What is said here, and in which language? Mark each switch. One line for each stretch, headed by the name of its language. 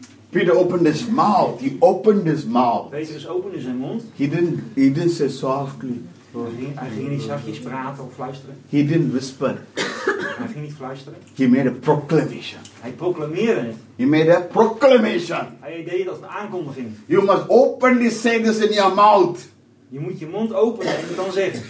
English: Peter opened his mouth. He opened his mouth.
Dutch: Petrus opende zijn mond.
English: He didn't say softly.
Dutch: Hij ging niet zachtjes praten of fluisteren.
English: He didn't whisper.
Dutch: Hij ging niet fluisteren.
English: He made a proclamation.
Dutch: Hij proclameerde het.
English: He made a proclamation.
Dutch: Hij deed als een aankondiging.
English: You must open these sentences in your mouth.
Dutch: Je moet je mond openen en je kan zeggen.